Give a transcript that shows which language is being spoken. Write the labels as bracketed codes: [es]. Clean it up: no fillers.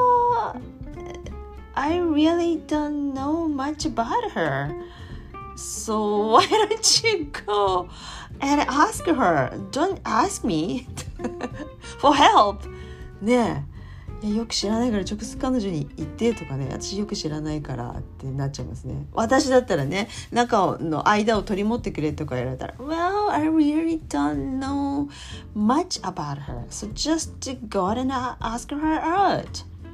[en] Well, I really don't know much about herSo why don't you go and ask her? Don't ask me for help. [ja] ねえ、いや、よく知らないから直接彼女に言ってとかね、私よく知らないからってなっちゃいますね。私だったらね、中の間を取り持ってくれとか言われたら、 [en] Well, I really don't know much about her. So just go and ask her out.